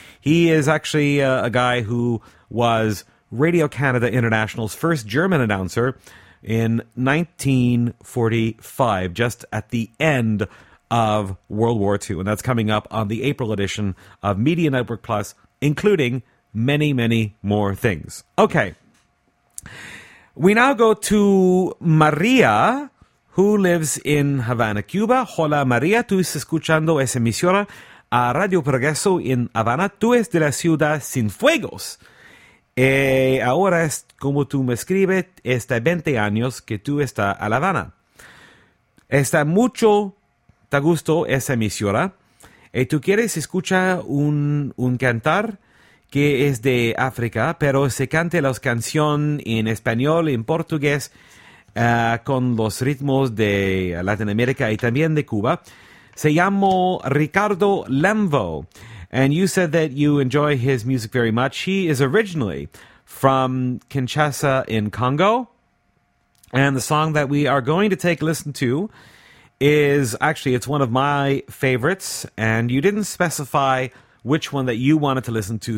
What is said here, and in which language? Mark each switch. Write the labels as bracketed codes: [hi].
[en] He is actually a guy who was Radio Canada International's first German announcer in 1945, just at the end of World War II. And that's coming up on the April edition of Media Network Plus, including many, many more things. Okay. We now go to Maria, who lives in Havana, Cuba. [es] Hola, Maria. Tú estás escuchando esa emisora a Radio Progreso en Havana. Tú eres de la ciudad Sin Fuegos. Ahora es como tú me escribes, está 20 años que tú estás a La Habana. Está mucho te gusto esa emisora. Y tú quieres escuchar un cantar que es de África, pero se cante las canciones en español, en portugués, con los ritmos de Latinoamérica y también de Cuba. Se llama Ricardo Lembo. [en] And you said that you enjoy his music very much. He is originally from Kinshasa in Congo. And the song that we are going to take a listen to is actually, it's one of my favorites. And you didn't specify which one that you wanted to listen to.